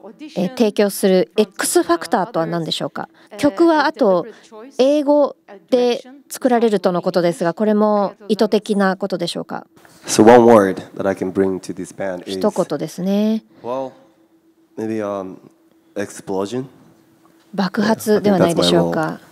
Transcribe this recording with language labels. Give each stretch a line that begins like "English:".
Japanese: 提供する X ファクターとは何でしょうか。曲はあと英語で作られるとのことですが、これも意図的なことでしょうか。
English: So one word that I can bring to this band is
Japanese: 一言ですね。
English: Well, maybe explosion.
Japanese: 爆発ではないでしょうか。